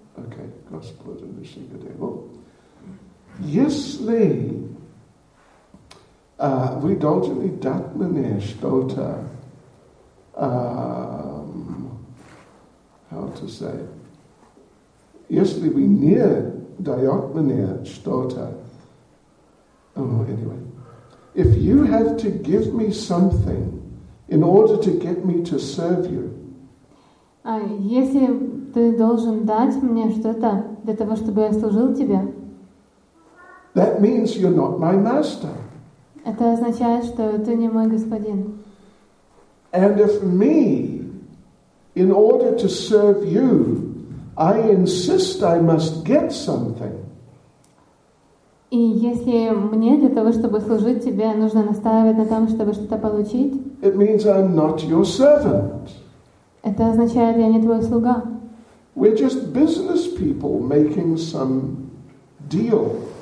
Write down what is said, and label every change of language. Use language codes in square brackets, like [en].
[ru] Окей, Господу Нарасимха Деву. Если вы должны дать мне что-то, [en] how to say, [ru] если вы не даете мне что-то, [en] anyway, if you have to give me something in order to get me to serve you, [ru] если ты должен дать мне что-то для того, чтобы я служил тебе, [en] that means you're not my master. [ru] Это означает, что ты не мой господин. [en] And if me, in order to serve you, I insist I must get something. [ru] И если мне для того, чтобы служить тебе, нужно настаивать на том, чтобы что-то получить, [en] it means I'm not your servant. [ru] Это означает, я не твой слуга. [en] We're just business people making some deal.